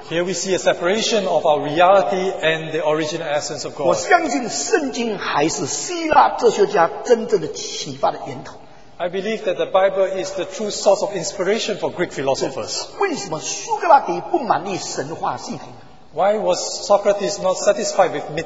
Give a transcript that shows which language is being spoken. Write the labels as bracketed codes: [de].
[en] Here we see a separation of our reality and the original essence of God. [zh] 我相信圣经还是希腊哲学家真正的启发的源头。 [en] I believe that the Bible is the true source of inspiration for Greek philosophers. [zh] 为什么苏格拉底不满意神话系统？ [en] Why was Socrates not satisfied with